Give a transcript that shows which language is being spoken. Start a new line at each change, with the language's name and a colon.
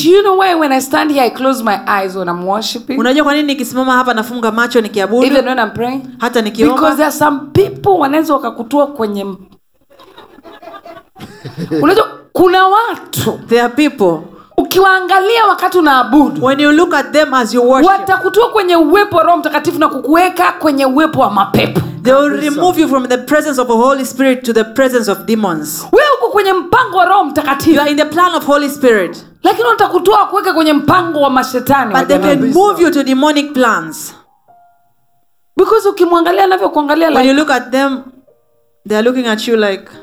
English: Do you know why when I stand here I close my eyes when I'm worshiping?
Swahili: Unajua kwa nini nikisimama hapa nafunga macho nikiabudu?
English: Even when I'm praying.
Swahili: Hata nikiomba.
English: Because there are some people
Swahili: wanaweza wakakutoa kwenye unajua kuna watu.
English: There are people.
Swahili: Ukiwaangalia wakati unaabudu,
English: when you look at them as you worship,
Swahili: watakutoa kwenye uwepo wa Roho Mtakatifu na kukuweka kwenye uwepo wa mapepo.
English: They will remove you from the presence of the Holy Spirit to the presence of demons.
Swahili: Wewe uko kwenye mpango wa Roho Mtakatifu.
English: You are in the plan of Holy Spirit.
Swahili: Lakini watakutoa kuweka kwenye mpango wa mashetani.
English: But they can move you to demonic plans.
Swahili: We Because ukimwangalia anavyokuangalia,
English: when you look at them, they are looking at you like